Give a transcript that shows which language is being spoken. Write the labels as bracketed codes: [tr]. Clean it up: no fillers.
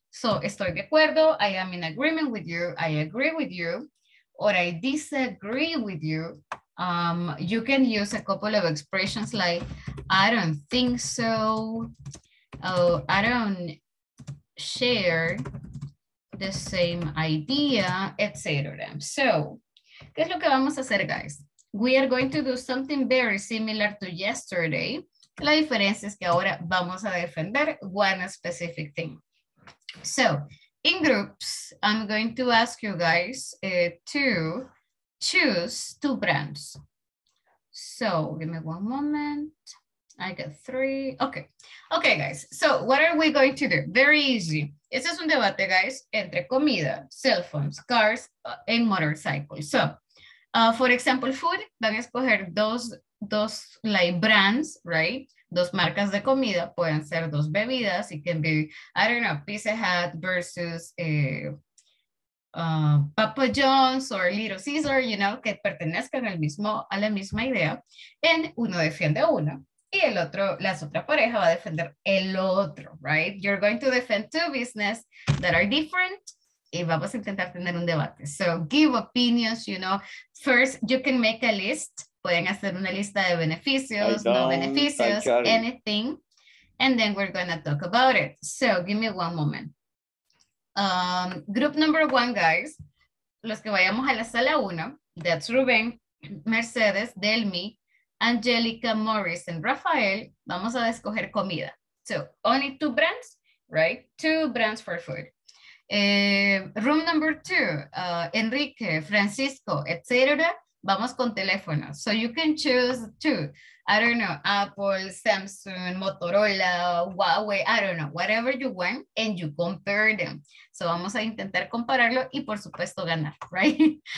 [en] So [es] estoy de acuerdo, [en] I am in agreement with you, I agree with you, or I disagree with you. You can use a couple of expressions like I don't think so. Oh, I don't share the same idea, etc. [es] So, ¿qué es lo que vamos a hacer, guys? [en] We are going to do something very similar to yesterday. [es] La diferencia es que ahora vamos a defender [en] one specific thing. So, in groups, I'm going to ask you guys to choose two brands. So, give me one moment. I got three. Okay. Okay, guys. So what are we going to do? Very easy. [es] Este es un debate, [en] guys, entre comida, cell phones, cars, and motorcycles. So for example, food, [es] van a escoger dos [en] like brands, right? [es] Dos marcas de comida, pueden ser dos bebidas. [en] It can be, I don't know, Pizza Hut versus Papa John's or Little Caesar, you know, [es] que pertenezcan a la misma idea. And uno defiende una. Y el otro, las otras parejas va a defender el otro, right? [en] You're going to defend two business that are different. [es] Y vamos a intentar tener un debate. [en] So give opinions, you know. First, you can make a list. [es] Pueden hacer una lista de beneficios, no beneficios, anything. [en] And then we're going to talk about it. So give me one moment. Group number one, guys. [es] Los que vayamos a la sala uno. That's Rubén, Mercedes, Delmi, Angelica, Morris, and Rafael, vamos a escoger comida. [en] So, only two brands, right? Two brands for food. Room number two, Enrique, Francisco, etc. [es] Vamos con teléfono. [en] So you can choose two. I don't know, Apple, Samsung, Motorola, Huawei, I don't know, whatever you want, and you compare them. [es] So vamos a intentar compararlo y por supuesto ganar, right?